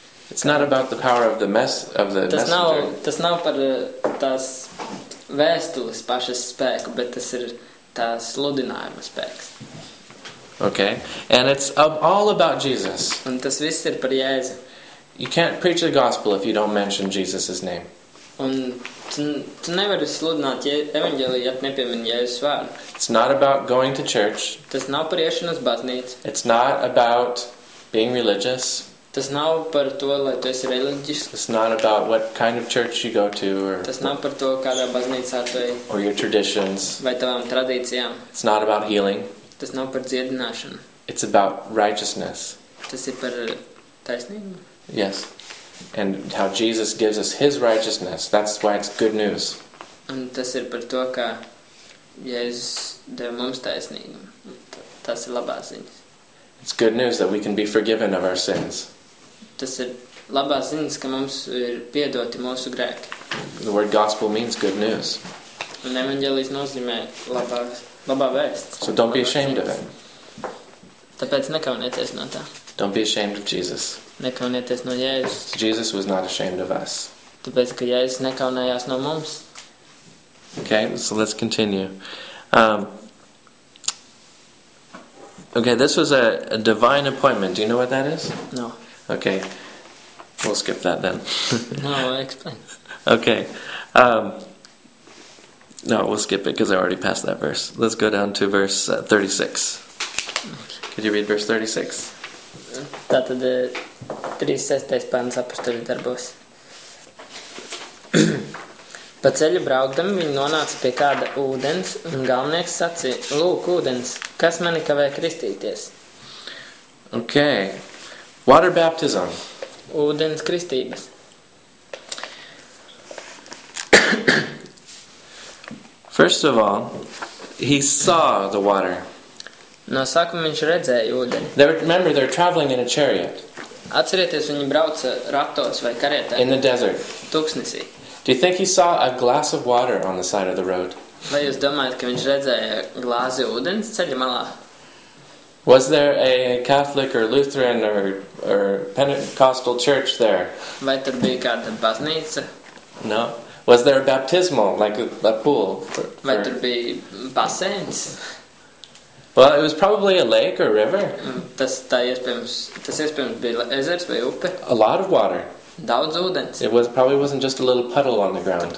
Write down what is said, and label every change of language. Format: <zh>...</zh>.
<en>It's not about the power of the mess of the</en> <lv>tas</lv> <en>messenger.</en> <lv>Tas nav par tās vēstules pašas spēku, bet tas ir tās sludinājuma spēks.</lv> <en>Okay. And it's all about Jesus.</en> <lv>Un tas viss ir par Jēzu.</lv> <en>You can't preach the gospel if you don't mention Jesus' name.</en> <lv>Un tu nevari sludināt evaņģēliju, ja nepiemini Jēzus vārdu.</lv> <en>It's not about going to church.</en> <lv>Tas nav par iešanu uz baznīcu.</lv> <en>It's not about being religious.</en> <lv>Tas nav par to, lai tu esi reliģisks.</lv> <en>It's not about what kind of church you go to or</en> <lv>tas nav par to, kādā baznīcā tu esi.</lv> <en>Or your traditions.</en> <lv>Vai tavām tradīcijām.</lv> <en>It's not about healing.</en> <lv>Tas nav par dziedināšanu.</lv> <en>It's about righteousness.</en> <lv>Tas ir par taisnību.</lv> <en>Yes. And how Jesus gives us his righteousness. That's why it's good news.</en> <lv>Un tas ir par to, ka Jēzus dev mums taisnību. Tas ir labā ziņa.</lv> <en>It's good news that we can be forgiven of our sins.</en> <lv>Tas ir labā ziņas, ka mums ir piedoti mūsu grēki.</lv> <en>The word gospel means good news.</en> <lv>Un evaņģēlijs nozīmē labā vēsts.</lv> <en>So don't be ashamed of it.</en> <lv>Tāpēc nekaunieties no tā.</lv> <en>Don't be ashamed of Jesus.</en> <lv>Nekaunieties no Jēzus.</lv> <en>Jesus was not ashamed of us.</en> <lv>Tāpēc, ka Jēzus nekaunējās no mums.</lv> <en>Okay, so let's continue. Okay, this was a divine appointment. Do you know what that is? No. Okay. We'll skip that then. No, I explain. Okay. No, we'll skip it because I already passed that verse. Let's go down to verse 36. Could you read verse 36?</en> <lv>Tātad 36. Pāns apustuļu darbos. Pa ceļu braukdami viņi nonāca pie kāda ūdens, un galvenieks sacīja, lūk, ūdens, kas mani kavē kristīties?</lv> <en>Ok. Water baptism.</en> <lv>Ūdens kristības.</lv> <en>First of all, he saw the water.</en> <lv>No sākuma viņš redzēja ūdeni.</lv> <en>Remember, they're traveling in a chariot.</en> <lv>Atcerieties, viņi brauca ratos vai karietā.</lv> <en>In the desert.</en> <lv>Tuksnesī.</lv> <en>Do you think he saw a glass of water on the side of the road?</en> <lv>Vai jūs domājat, ka viņš redzēja glāzi ūdens ceļa malā?</lv> <en>Was there a Catholic or Lutheran or Pentecostal church there?</en> <lv>Vai tur bija kāda baznīca?</lv> <en>No. Was there a baptismal, like a pool?</en> <lv>Vai tur bija baseins?</lv> <en>Well, it was probably a lake or a river.</en> <lv>Tas iespējams bija ezers vai upe.</lv> <en>A lot of water.</en> <lv>Daudz ūdens.</lv> <en>It was probably wasn't just a little puddle on the ground.</en>